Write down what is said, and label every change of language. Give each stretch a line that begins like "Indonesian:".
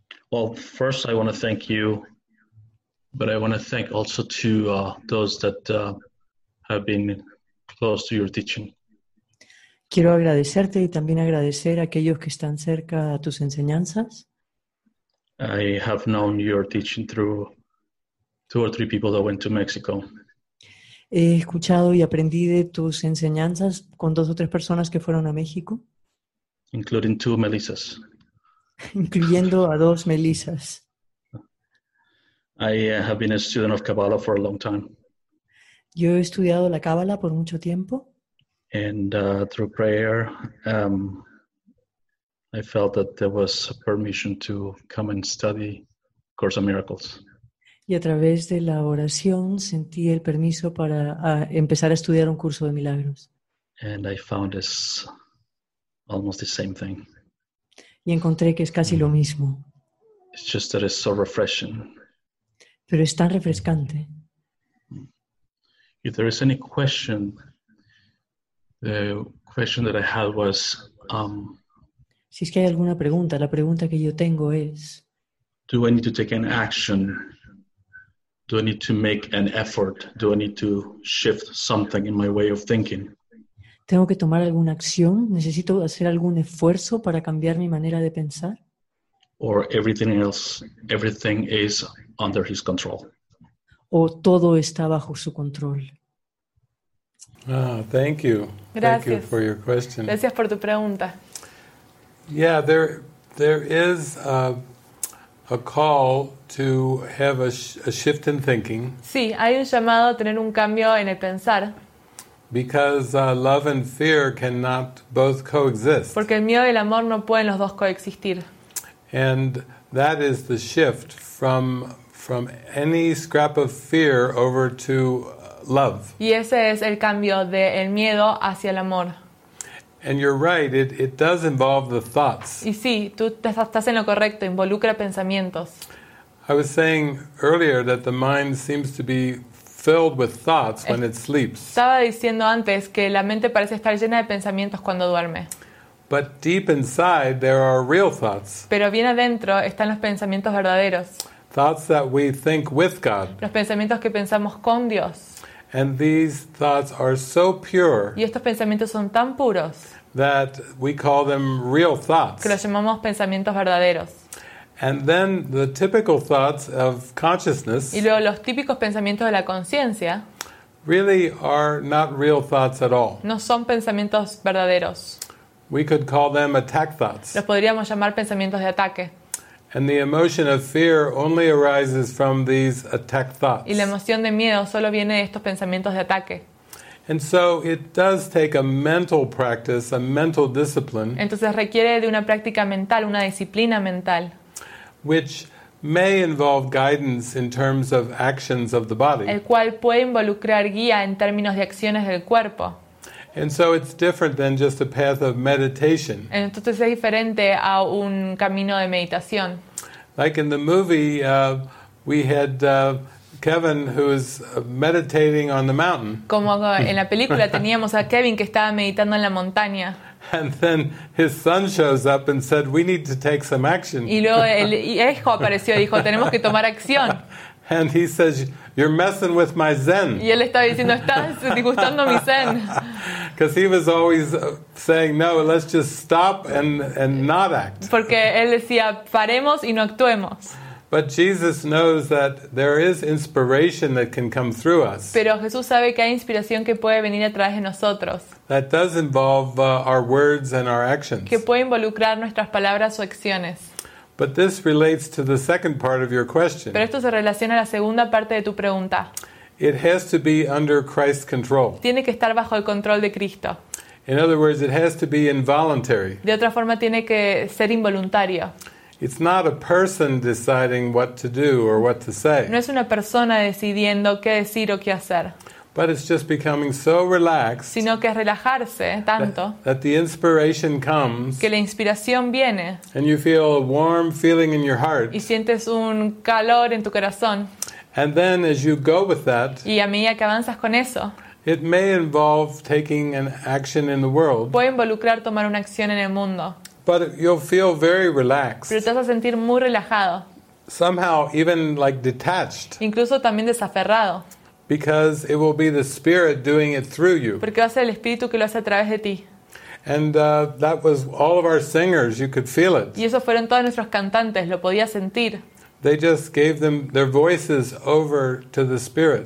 English: Well, first I want to thank you, but I want to thank also to those that have been close to your teaching.
Spanish: Quiero agradecerte y también agradecer a aquellos que están cerca a tus enseñanzas.
English: I have known your teaching through two or three people that went to Mexico.
Spanish: He escuchado y aprendí de tus enseñanzas con dos o tres personas que fueron a México.
English: Including two Melissas.
Spanish: Incluyendo a dos Melissas.
English: I have been a student of Kabbalah for a long time.
Spanish: Yo he estudiado la Kabbalah por mucho tiempo.
English: And through prayer, I felt that there was a permission to come and study Course of Miracles.
Spanish: Y a través de la oración sentí el permiso para empezar a estudiar un curso de milagros.
English: And I found it's almost the same thing.
Spanish: Y encontré que es casi lo mismo.
English: It's just that it's so refreshing.
Spanish: Pero es tan refrescante.
English: If there is any question, the question that I had was...
Spanish: Si es que hay alguna pregunta, la pregunta que yo tengo es...
English: Do I need to take an action? Do I need to make an effort? Do I need to shift something in my way of thinking?
Spanish: ¿Tengo que tomar alguna acción? ¿Necesito hacer algún esfuerzo para cambiar mi manera de pensar?
English: Or everything else, everything is under his control.
Spanish: ¿O todo está bajo su control?
English: Ah, thank you.
Spanish: Gracias.
English: Thank you for your question.
Spanish: Gracias por tu pregunta.
English: Yeah, there is a call to have a shift in thinking.
Spanish: Sí, hay un llamado a tener un cambio en el pensar.
English: Because love and fear cannot both coexist.
Spanish: Porque el miedo y el amor no pueden los dos coexistir.
English: And that is the shift from any scrap of fear over to love.
Spanish: Y ese es el cambio de el miedo hacia el amor.
English: And you're right, it does involve the thoughts.
Spanish: Y sí, tú estás en lo correcto, involucra pensamientos.
English: I was saying earlier that the mind seems to be filled with thoughts when it sleeps.
Spanish: Estaba diciendo antes que la mente parece estar llena de pensamientos cuando duerme.
English: But deep inside there are real thoughts.
Spanish: Pero bien adentro están los pensamientos verdaderos.
English: Thoughts that we think with God.
Spanish: Los pensamientos que pensamos con Dios.
English: And these thoughts are so pure.
Spanish: Y estos pensamientos son tan puros.
English: That we call them real thoughts.
Spanish: Que los llamamos pensamientos verdaderos.
English: And then the typical thoughts of consciousness.
Spanish: Y luego los típicos pensamientos de la conciencia.
English: Really are not real thoughts at all.
Spanish: No son pensamientos verdaderos.
English: We could call them attack thoughts.
Spanish: Los podríamos llamar pensamientos de ataque.
English: And the emotion of fear only arises from these attack thoughts.
Spanish: Y la emoción de miedo solo viene de estos pensamientos de ataque.
English: And so it does take a mental practice, a mental discipline.
Spanish: Entonces requiere de una práctica mental, una disciplina mental.
English: Which may involve guidance in terms of actions of the body.
Spanish: El cual puede involucrar guía en términos de acciones del cuerpo.
English: And so it's different than just a path of meditation.
Spanish: Entonces es diferente a un camino de meditación.
English: Like in the movie, we had Kevin who is meditating on the mountain.
Spanish: Como en la película teníamos a Kevin que estaba meditando en la montaña.
English: And then his son shows up and said, "We need to take some action."
Spanish: Y luego el hijo apareció y dijo, "Tenemos que tomar acción."
English: And he says, "You're messing with my zen."
Spanish: Y él estaba diciendo, "Estás disgustando mi zen."
English: Because he was always saying, "No, let's just stop and not act."
Spanish: Porque él decía, "Paremos y no actuemos."
English: But Jesus knows that there is inspiration that can come through us.
Spanish: Pero Jesús sabe que hay inspiración que puede venir a través de nosotros.
English: That does involve our words and our actions.
Spanish: Que puede involucrar nuestras palabras o acciones.
English: But this relates to the second part of your question.
Spanish: Pero esto se relaciona a la segunda parte de tu pregunta.
English: It has to be under Christ's control.
Spanish: Tiene que estar bajo el control de Cristo.
English: In other words, it has to be involuntary.
Spanish: De otra forma, tiene que ser involuntario.
English: It's not a person deciding what to do or what to say.
Spanish: No es una persona decidiendo qué decir o qué hacer.
English: But it's just becoming so relaxed.
Spanish: Sino que es relajarse tanto.
English: That the inspiration comes.
Spanish: Que la inspiración viene.
English: And you feel a warm feeling in your heart.
Spanish: Y sientes un calor en tu corazón.
English: And then as you go with that.
Spanish: Y a medida que avanzas con eso.
English: It may involve taking an action in the world.
Spanish: Puede involucrar tomar una acción en el mundo.
English: But you'll feel very relaxed.
Spanish: Pero te vas a sentir muy relajado.
English: Somehow even like detached.
Spanish: Incluso también desaferrado.
English: Because it will be the spirit doing it through you.
Spanish: Porque va a ser el espíritu que lo hace a través de ti.
English: And that was all of our singers, you could feel it.
Spanish: Y esos fueron todos nuestros cantantes, lo podías sentir.
English: They just gave them their voices over to the spirit.